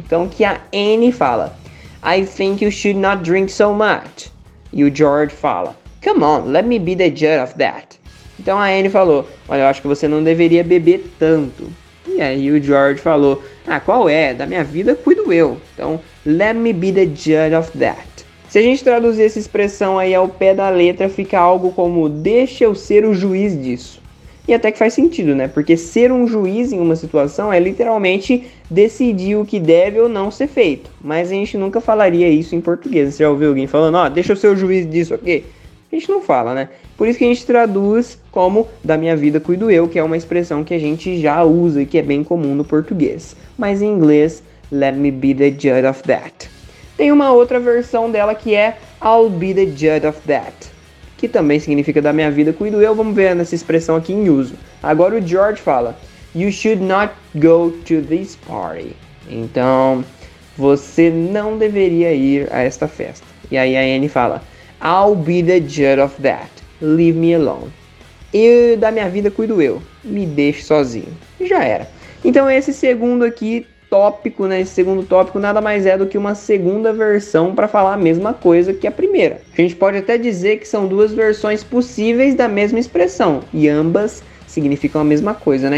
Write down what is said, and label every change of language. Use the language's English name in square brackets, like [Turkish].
[Portuguese] Então, que a Annie fala, [English] I think you should not drink so much. [Portuguese] E o George fala, [English] come on, let me be the judge of that. [Portuguese] Então, a Annie falou, olha, eu acho que você não deveria beber tanto. E aí, o George falou, ah, qual é? Da minha vida, cuido eu. [English] Então, let me be the judge of that. [Portuguese] Se a gente traduzir essa expressão aí ao pé da letra, fica algo como deixa eu ser o juiz disso. E até que faz sentido, né? Porque ser um juiz em uma situação é literalmente decidir o que deve ou não ser feito. Mas a gente nunca falaria isso em português. Você já ouviu alguém falando, ó, deixa eu ser o juiz disso aqui? A gente não fala, né? Por isso que a gente traduz como da minha vida cuido eu, que é uma expressão que a gente já usa e que é bem comum no português. Mas em inglês, [English] let me be the judge of that. [Portuguese] Tem uma outra versão dela que é [English] I'll be the judge of that, [Portuguese] que também significa da minha vida cuido eu. Vamos ver nessa expressão aqui em uso. Agora o George fala, [English] you should not go to this party. [Portuguese] Então, você não deveria ir a esta festa. E aí a Annie fala, [English] I'll be the judge of that, leave me alone. [Portuguese] E da minha vida cuido eu, me deixe sozinho. E já era. Então esse segundo aqui, tópico, né? Esse segundo tópico nada mais é do que uma segunda versão para falar a mesma coisa que a primeira. A gente pode até dizer que são duas versões possíveis da mesma expressão e ambas significam a mesma coisa, né?